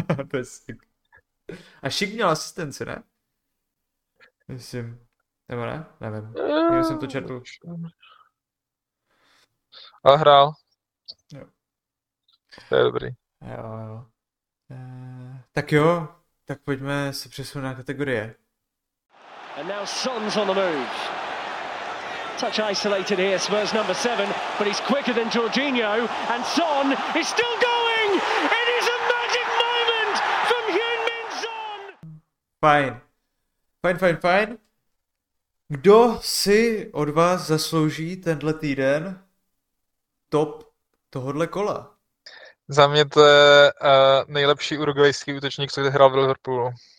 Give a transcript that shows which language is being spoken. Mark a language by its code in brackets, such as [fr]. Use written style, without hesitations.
[cs] To je sick. A Šik měl asistenci, ne? Myslím. Nebo ne? Nevím. Já jsem to četl. A hrál. Jo. To je dobrý. Jo, jo. Tak jo, tak pojďme se přesunout na kategorie. [en] A now Son's on the move. Touch isolated here, Spurs number 7, but he's quicker than Jorginho, and Son is still going! It is a magic moment from Heung-min Son! [cs] Fajn. Kdo si od vás zaslouží tenhle týden top tohodle kola? Za mě to je nejlepší urugvajský útočník, co kdy hrál v Liverpoolu.